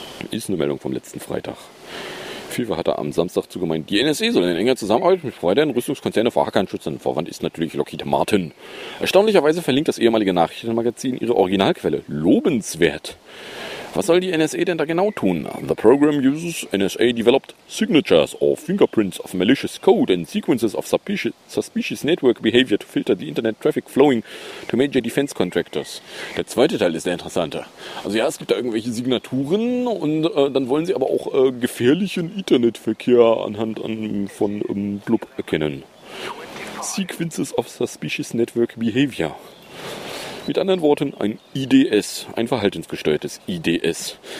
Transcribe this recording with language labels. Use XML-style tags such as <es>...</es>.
<de>Ist eine Meldung vom letzten Freitag. FIFA hat da am Samstag zugemeint, die NSA soll in enger Zusammenarbeit mit Providern, Rüstungskonzerne vor Hackern schützen. Vorwand ist natürlich Lockheed Martin. Erstaunlicherweise verlinkt das ehemalige Nachrichtenmagazin ihre Originalquelle. Lobenswert. Was soll die NSA denn da genau tun?</de> <en>The program uses NSA-developed signatures or fingerprints of malicious code and sequences of suspicious network behavior to filter the internet traffic flowing to major defense contractors.</en> <de>Der zweite Teil ist der interessante. Also ja, es gibt da irgendwelche Signaturen und dann wollen sie aber auch gefährlichen Internetverkehr anhand von Blub erkennen.</de> <en>Sequences of suspicious network behavior.</en> <de>Mit anderen Worten, ein IDS, ein verhaltensgesteuertes IDS.</de>